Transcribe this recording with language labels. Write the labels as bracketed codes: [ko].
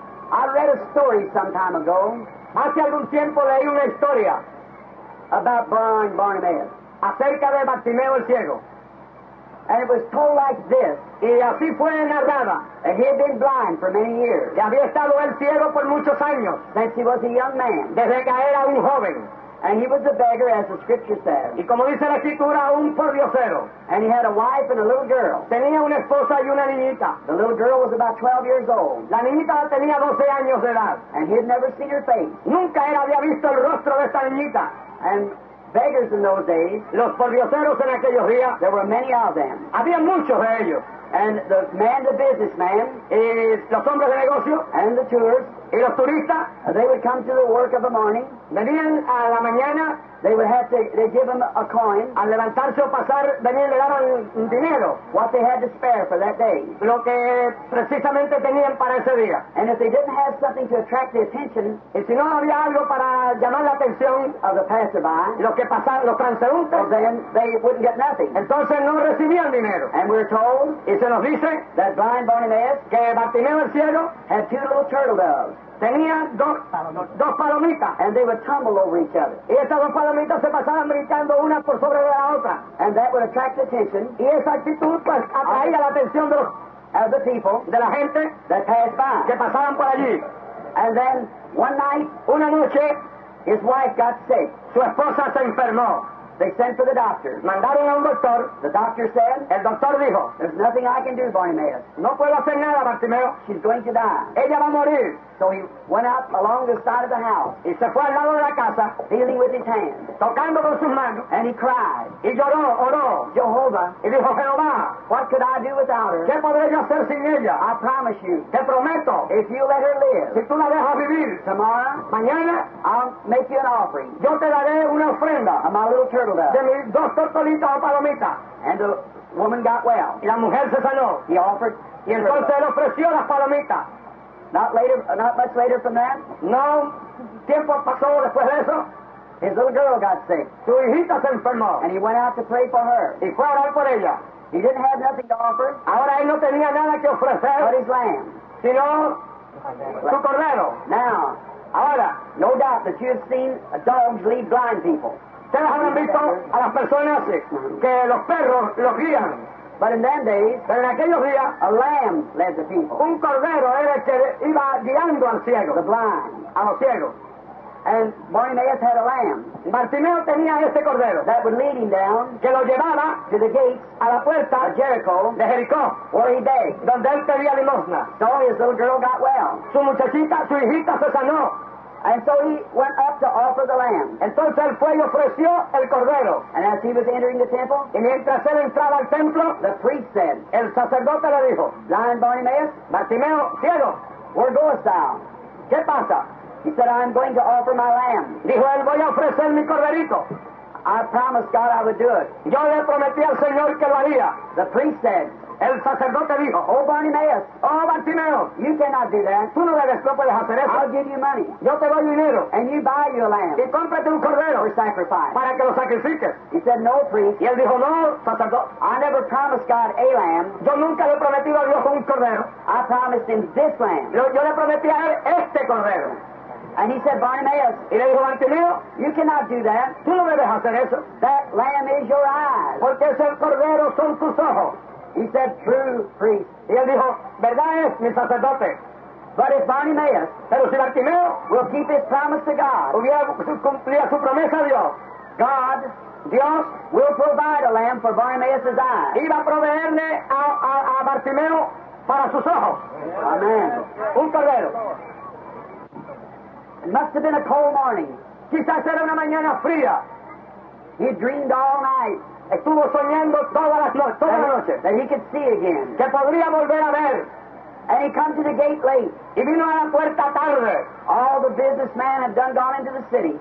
[en] I read a story some time ago. [es] Hace algún tiempo leí una historia [en] about blind Bartimaeus. [es] Acerca de Bartimeo el ciego. [en] And it was told like this. [es] Y así fue narrada. [en] And he had been blind for many years. [es] Y había estado él ciego por muchos años. [en] Since he was a young man. [es] Desde que era un joven. [en] And he was a beggar, as the scripture says. [es] Y como dice la escritura, un pordiosero. [en] And he had a wife and a little girl. [es] Tenía una esposa y una niñita. [en] The little girl was about 12 years old. [es] La niñita tenía 12 años de edad. [en] And he had never seen her face. [es] Nunca él había visto el rostro de esta niñita. [en] And beggars in those days. [es] Los pordioseros en aquellos días. [en] There were many of them. [es] Había muchos de ellos. [en] And the man, the businessman. [es] Y los hombres de negocio. [en] And the tourists. [es] Y los turistas. [en] They would come to the work of the morning. [es] Venían a la mañana. [en] They would have to. They give them a coin. [es] Al levantarse o pasar, venían le daban dinero. [en] What they had to spare for that day. [es] Lo que precisamente tenían para ese día. [en] And if they didn't have something to attract the attention. [es] Y si no había algo para llamar la atención [en] of the passerby. [es] Los que pasaban, los transeúntes. [en] Well, then they wouldn't get nothing. [es] Entonces no recibían dinero. [en] And we're told. [es] Y se nos dice [en] that blind Bartimaeus. [es] Que Bartimeo el ciego [en] had two little turtle doves. [es] Tenía dos palomitas. [en] And they would tumble over each other. [es] Y estas dos palomitas se pasaban brincando una por sobre la otra. [en] And that would attract attention. [es] Y esa actitud pues atraía la atención de los [en] of the people, [es] de la gente [en] that passed by, [es] que pasaban por allí. [en] And then one night, [es] una noche, [en] his wife got sick. [es] Su esposa se enfermó. [en] They sent for the doctor. [es] Mandaron a un doctor. [en] The doctor said. [es] El doctor dijo. [en] There's nothing I can do, Bartimaeus. [es] No puedo hacer nada, Bartimeo. [en] She's going to die. [es] Ella va a morir. [en] So he went up along the side of the house. [es] Y se fue al lado de la casa. [en] Feeling with his hands. [es] Tocando con sus manos. [en] And he cried. [es] Y lloró, oró. [en] Jehovah. [es] Y dijo, Jehová. [en] What could I do without her? [es] ¿Qué podré yo hacer sin ella? [en] I promise you. [es] Te prometo. [en] If you let her live. [es] Si tú la dejas vivir. [en] Tomorrow. [es] Mañana. [en] I'll make you an offering. [es] Yo te daré una ofrenda. [en] A my little turtle. [es] De mis dos tortolitas o palomitas. [en] And the woman got well. [es] Y la mujer se sanó. [en] He offered. [es] Y entonces él ofreció las palomitas. [en] Not much later from that. [es] No, tiempo pasó después de eso. [en] His little girl got sick. [es] Su hijita se enfermó. [en] And he went out to pray for her. [es] Y fue a orar por ella. [en] He didn't have nothing to offer. [es] Ahora él no tenía nada que ofrecer. [en] But his lamb. [es] Sino su cordero. [en] Now, [es] ahora, [en] no doubt that you've seen dogs lead blind people. [es] Ustedes habrán visto a las personas que los perros los guían. [en] But in that day, [es] pero en aquellos días, [en] a lamb led the people. [es] Un cordero era el que iba guiando al ciego. [en] The blind. [es] A los ciegos. [en] And Bartimaeus had a lamb. [es] Bartimeo tenía este cordero. [en] That would lead him down. [es] Que lo llevaba [en] to the gates, [es] a la puerta [en] of Jericho, [es] de Jericó, [en] where he begged, [es] donde él pedía limosna. [en] So his little girl got well. [es] Su muchachita, su hijita se sanó. [en] And so he went up to offer the lamb. [es] Entonces él fue y ofreció el cordero. [en] And as he was entering the temple, [es] y mientras él entraba al templo, [en] the priest said, [es] el sacerdote le dijo, [en] blind Bartimaeus, [es] Bartimeo, ciego, [en] where goest thou? [es] ¿Qué pasa? [en] He said, I'm going to offer my lamb. [es] Dijo él, voy a ofrecer mi corderito. [en] I promised God I would do it. [es] Yo le prometí al Señor que lo haría. [en] The priest said, [es] el sacerdote dijo, [en] oh Bartimaeus, [es] oh Bartimeo, [en] you cannot do that. [es] Tú no debes, no puedes hacer eso. [en] I'll give you money. [es] Yo te doy dinero. [en] And you buy you a lamb. [es] Y cómprate un cordero. [en] For sacrifice. [es] Para que lo sacrifiques. [en] He said, no priest. [es] Y él dijo, no sacerdote. [en] I never promised God a lamb. [es] Yo nunca le prometí a Dios un cordero. [en] I promised him this lamb. [es] Yo le prometí a él este cordero. [en] And he said, Bartimaeus, [es] y le dijo, Bartimeo, [en] you cannot do that. [es] Tú no debes hacer eso. [en] That lamb is your eyes. [es] Porque ese cordero son tus ojos. [en] He said, true priest, [es] Y él dijo, verdad es, mi sacerdote. [en] But if Bartimaeus, [es] pero si Bartimeo, [en] will keep his promise to God, [es] hubiera cumplido su promesa a Dios, [en] God, Dios, will provide a lamb for Bartimaeus' eyes. [es] Iba a proveerle a Bartimeo para sus ojos. [en] Amen. [es] Un cordero. [en] It must have been a cold morning. [es] Quizás era una mañana fría. [en] He dreamed all night. [es] Estuvo soñando toda la noche. [en] That he could see again. [es] Que podría volver a ver. [en] And he come to the gate late. [es] Y vino a la puerta tarde. [en] All the businessmen had done gone into the city.